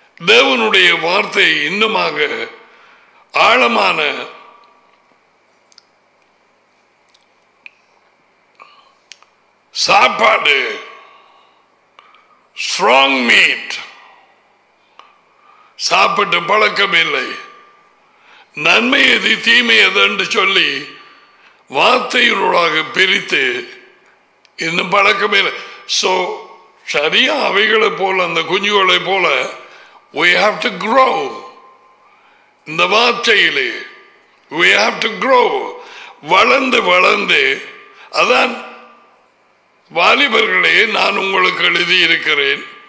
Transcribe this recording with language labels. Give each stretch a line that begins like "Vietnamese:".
Tamil: தேவனுடைய வார்த்தை இன்னுமாக ஆழமான சாப்பாடு, ஸ்ட்ராங் மீட் சாப்பிட்டு பழக்கம் இல்லை. நன்மை எது தீமை எதுன்னு சொல்லி வார்த்தையினூடாக பிரித்து இன்னும் பழக்கமே இல்லை. ஸோ சரியா அவைகளை போல, அந்த குஞ்சுகளை போல,
English: we have to grow.
Tamil: இந்த வார்த்தையிலே
English: we have to grow.
Tamil: வளர்ந்து வளர்ந்து அதான் வாலிபர்களே நான் உங்களுக்கு எழுதியிருக்கிறேன்.